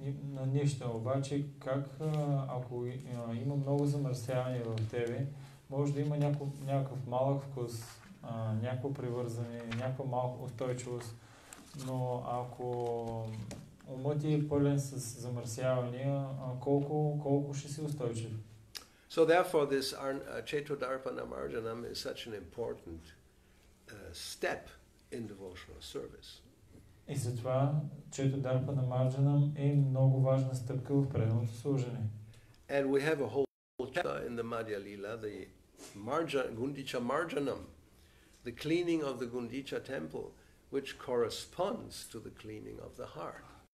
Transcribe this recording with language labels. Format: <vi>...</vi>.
<bg>На нищо, обаче, как ако има много замърсяване в тебе, може да има някакъв малък вкус, някакво привързане, някаква малка устойчивост, но ако умът ти е пълен с замърсявания, колко ще си устойчив?</bg> <en>So therefore this Chaitodarpana Marjanam is such an important step in devotional service.</en> <bg>И затова Chaitodarpana Marjanam е много важна стъпка в правилното служене.</bg> <en>And we have a whole chapter in the Madhya Lila, the Gundicha Marjanam, the cleaning of the Gundicha temple, which corresponds to the cleaning of the heart.</en>